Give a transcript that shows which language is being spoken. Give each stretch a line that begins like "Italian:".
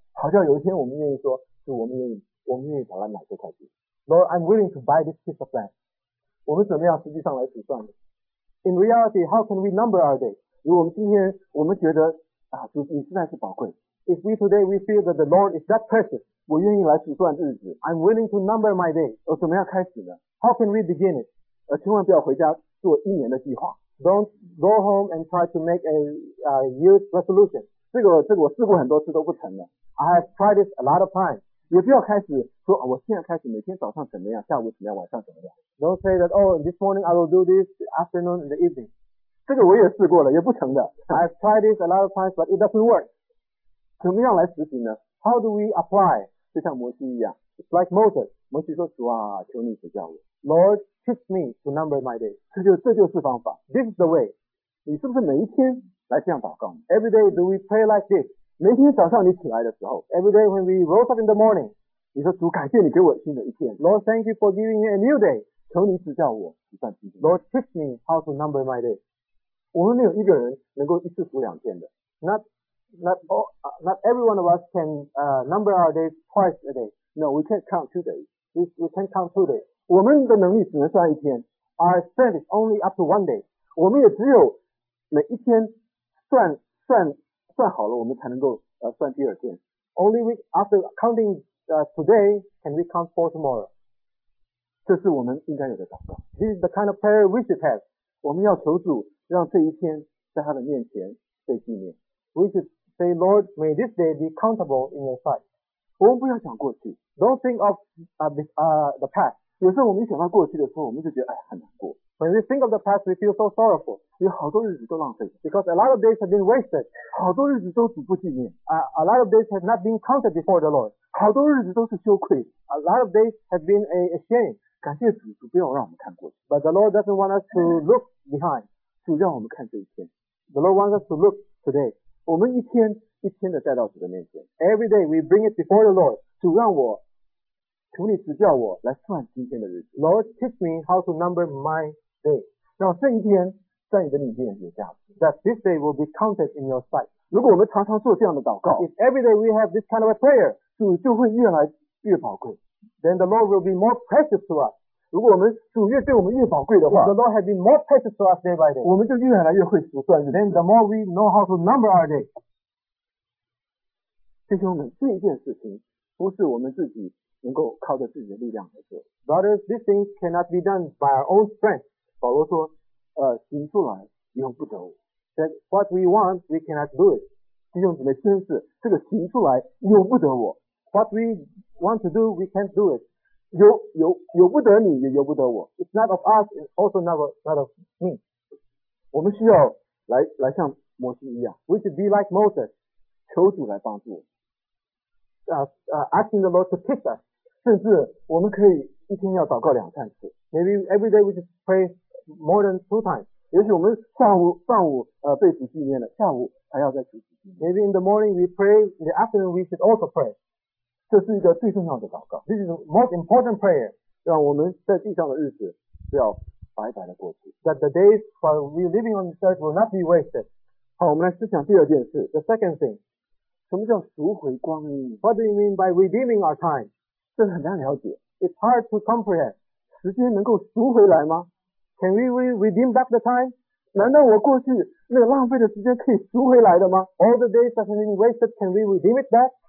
Chinese: 好像有一天我们愿意说，主，我们愿意把它买这块地。
English: Lord, I'm willing to buy this piece of land.
Chinese: 我们怎么样实际上来数算呢
English: ？In reality, how can we number our days?
Chinese: 如果我们今天我们觉得啊，主，你实在是宝贵。
English: If we today we feel that the Lord is that precious.
Chinese: 我愿意来数算日子。
English: I'm willing to number my day.
Chinese: 我怎么样开始呢
English: ？How can we begin it？
Chinese: 千万不要回家做一年的计划。
English: Don't go home and try to make a year's resolution.
Chinese: 这个我试过很多次都不成的。
English: I have tried this a lot of times.
Chinese: 也不要开始说、啊、我现在开始每天早上怎么样，下午怎么样，晚上怎么样。
English: Don't say that. Oh, this morning I will do this, the afternoon and the evening.
Chinese: 这个我也试过了，也不成的。
English: I have tried this a lot of times, but it doesn't work.
Chinese: 怎么样来实行呢？
English: How do we apply?
Chinese: 就像摩西一样
English: ，It's like Moses.
Chinese: 摩西说：“主啊，求你指教我。
English: ”Lord, teach me to number my days.
Chinese: 这就是方法。
English: This is the way.
Chinese: 你是不是每一天来这样祷告
English: ？Every day do we pray like this?
Chinese: 每天早上你起来的时候
English: ，Every day when we rose up in the morning,
Chinese: 你说：“主，感谢你给我新的一天。
English: ”Lord, thank you for giving me a new day.
Chinese: 求你指教我，计算今天。
English: Lord, teach me how to number my days.
Chinese: 我们没有一个人能够一次数两天的。
English: Not every one of us can number our days twice a day. No, we can't count 2 days. We can't count 2 days.
Chinese: 我们的能力只能算一天。
English: Our strength is only up to 1 day.
Chinese: 我们也只有每一天算好了，我们才能够算第二天。
English: Only we after counting today can we count for tomorrow.
Chinese: 这是我们应该有的祷告。
English: This is the kind of prayer we should have.
Chinese: 我们要求主让这一天在他的面前被纪念。
English: We should say, Lord, may this day be countable in your sight.
Chinese: 我们不要想过去。
English: Don't think of the past.
Chinese: 有时候我们一想到过去的时候，我们就觉得哎很难过。
English: When we think of the past, we feel so sorrowful.
Chinese: 有好多日子都浪费。
English: Because a lot of days have been wasted.
Chinese: 好多日子都主不纪念。
English: A lot of days have not been counted before the Lord.
Chinese: 好多日子都是羞愧。
English: A lot of days have been a shame.
Chinese: 感谢主，主不要让我们看过去。
English: But the Lord doesn't want us to look behind.
Chinese: 主让我们看这一天。
English: The Lord wants us to look today.
Chinese: 我们一天一天的带到主的面前。
English: Every day we bring it before the Lord.
Chinese: 主让我，求你指教我来算今天的日子。
English: Lord, teach me how to number my day.
Chinese: 让这一天在你的里面有价值。
English: That this day will be counted in your sight.
Chinese: 如果我们常常做这样的祷告
English: ，If every day we have this kind of a prayer,
Chinese: 主就会越来越宝贵。
English: Then the Lord will be more precious to us.
Chinese: 如果我们主越对我们越宝贵的话
English: ，The Lord has been more precious to us day by day.
Chinese: 我们就越来越会数算日子。
English: Then the more we know how to number our day.
Chinese: 弟兄们，这一件事情不是我们自己能够靠着自己的力量来做。
English: Brothers, these things cannot be done by our own strength.
Chinese: 保罗说，行出来用不得我。
English: That what we want, we cannot do it.
Chinese: 弟兄姊妹，真是这个行出来用不得我。
English: What we want to do, we can't do it.
Chinese: 由不得你，也由不得我。
English: It's not of us, it's also not of me.
Chinese: 我们需要来像摩西一样。
English: We should be like Moses.
Chinese: 求主来帮助我。
English: Asking the Lord to teach us.
Chinese: 甚至我们可以一天要祷告两三次。
English: Maybe every day we just pray more than two times.
Chinese: 也许我们上午被主纪念了，下午还要再主纪念。
English: Maybe in the morning we pray, in the afternoon we should also pray.
Chinese: 这是一个最重要的祷告。
English: This is the most important prayer.
Chinese: 让我们在地上的日子不要白白的过去。
English: That the days while we're living on this earth will not be wasted.
Chinese: 好，我们来思想第二件事。
English: The second thing.
Chinese: 什么叫赎回光阴？
English: What do you mean by redeeming our time?
Chinese: 这很难了解。
English: It's hard to comprehend.
Chinese: 时间能够赎回来吗？
English: Can we redeem back the time?
Chinese: 难道我过去那个浪费的时间可以赎回来的吗？
English: All the days that have been wasted, can we redeem it back?